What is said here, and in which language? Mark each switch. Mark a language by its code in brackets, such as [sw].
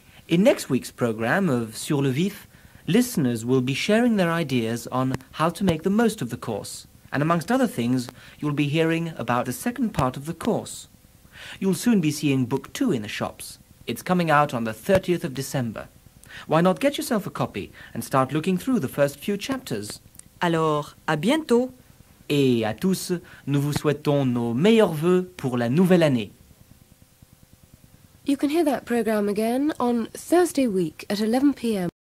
[en] In next week's program of Sur le Vif, listeners will be sharing their ideas on how to make the most of the course. And amongst other things, you'll be hearing about the second part of the course. You'll soon be seeing book 2 in the shops. It's coming out on the 30th of December. Why not get yourself a copy and start looking through the first few chapters? [fr] Alors, à bientôt! Et à tous, nous vous souhaitons nos meilleurs vœux pour la nouvelle année. [en] You can hear that program again on Thursday week at 11 p.m.